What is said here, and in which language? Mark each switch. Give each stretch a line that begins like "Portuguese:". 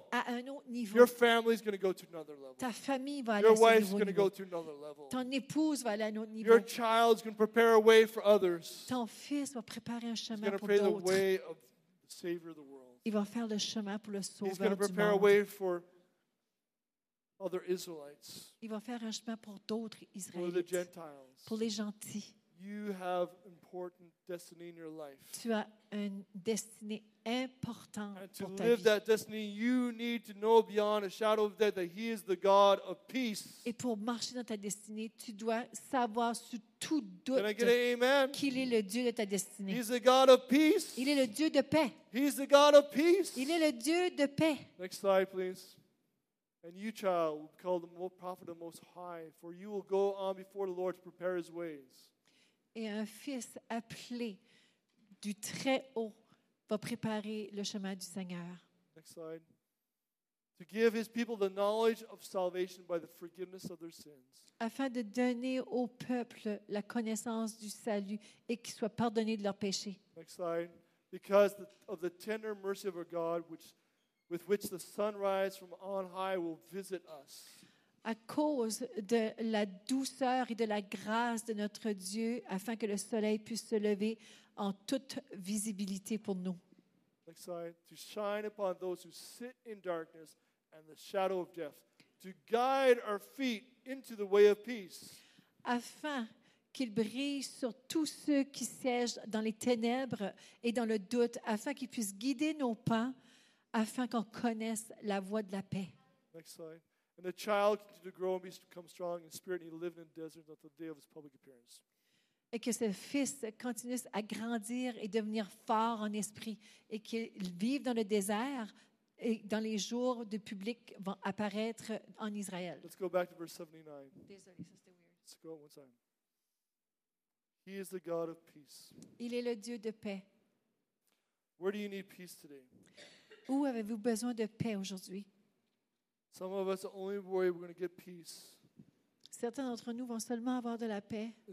French: à un autre niveau.
English: Your family's gonna go to another level.
French: Ta famille va aller
English: your
French: à un autre niveau.
English: Gonna go to another level.
French: Ton épouse va aller à un autre niveau.
English: Your child's gonna prepare a way for others.
French: Ton fils va préparer un chemin
English: he's
French: pour d'autres.
English: The way of the savior of the world.
French: Il va faire le chemin pour le sauveur du monde.
English: He's going to prepare a way for other Israelites.
French: Il va faire un chemin pour d'autres Israélites.
English: For the Gentiles.
French: Pour les gentils.
English: You have important destiny in your life.
French: Tu as une destinée importante pour ta vie.
English: And to live that destiny, you need to know beyond a shadow of doubt that He is the God of peace.
French: Et pour marcher dans ta destinée, tu dois savoir sous tout doute qu'il est le Dieu de ta destinée.
English: He's the God of peace.
French: Il est le Dieu de paix.
English: He's the God of peace.
French: Il est le Dieu de paix.
English: Next slide, please. And you, child, will be called the prophet of the Most High, for you will go on before the Lord to prepare His ways.
French: Et un fils appelé du Très-Haut va préparer le chemin du Seigneur.
English: Next slide. To give his people the knowledge of salvation by the forgiveness of their sins.
French: Afin de donner au peuple la connaissance du salut et qu'ils soient pardonnés de leurs péchés.
English: Next slide. Because of the tender mercy of our God with which the sunrise from on high will visit us.
French: À cause de la douceur et de la grâce de notre Dieu, afin que le soleil puisse se lever en toute visibilité pour nous.
English: Next slide. To shine upon those who sit in darkness and the shadow of death, to guide our feet into the way of peace.
French: Afin qu'il brille sur tous ceux qui siègent dans les ténèbres et dans le doute, afin qu'il puisse guider nos pas, afin qu'on connaisse la voie de la paix.
English: Next slide. And the child continued to grow and become strong in spirit, and he lived in the desert until the day of his public appearance.
French: Et que ce fils continue à grandir et devenir fort en esprit, et qu'il vive dans le désert, et dans les jours de public vont apparaître en Israël.
English: Let's go back to verse 79.
French: Désolé, ça c'était weird.
English: Let's go one time. He is the God of peace.
French: Il est le Dieu de paix.
English: Where do you need peace today?
French: Où avez-vous besoin de paix aujourd'hui?
English: Some of us, the only way we're going to get peace.
French: Certains d'entre nous vont seulement avoir de la paix.